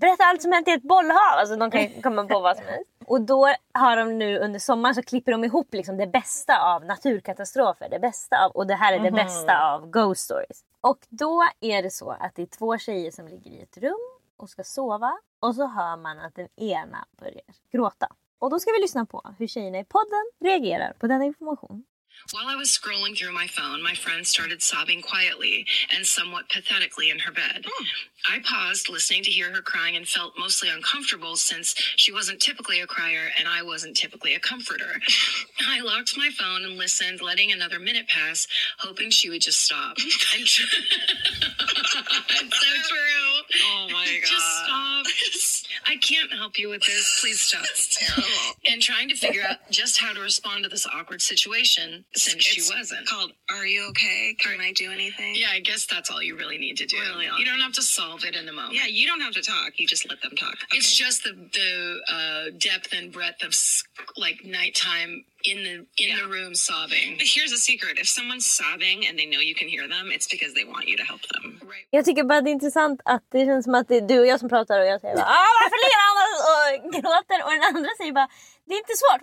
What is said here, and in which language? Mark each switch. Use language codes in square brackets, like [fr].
[sv] Berätta allt som hänt i ett bollhav. Alltså de kan komma på vad som helst. Och då har de nu under sommaren så klipper de ihop liksom det bästa av naturkatastrofer. Det bästa av, och det här är det bästa av ghost stories. Och då är det så att det är två tjejer som ligger i ett rum och ska sova. Och så hör man att den ena börjar gråta. Och då ska vi lyssna på hur tjejerna i podden reagerar på denna information. [en] While I was scrolling through my phone, my friend started sobbing quietly and somewhat pathetically in her bed. I paused, listening to hear her crying, and felt mostly uncomfortable since she wasn't typically a crier and I wasn't typically a comforter. I locked my phone and listened, letting another minute pass, hoping she would just stop. That's so true. Oh my God. Just stop. I can't help you with this. Please stop. It's terrible. And trying to figure out just how to respond to this awkward situation since it's she wasn't. Called, are you okay? Can I do anything? Yeah, I guess that's all you really need to do. Really, you don't have to solve it in the moment. Yeah, you don't have to talk. You just let them talk. Okay. It's just the depth and breadth of like nighttime in the room sobbing. But here's a secret. If someone's sobbing and they know you can hear them, it's because they want you to help them. Right. [sv] Jag tycker bara att det är intressant att det känns som att det är du och jag som pratar och jag säger bara, varför ler han och gråter? Och den andra säger bara, det är inte svårt.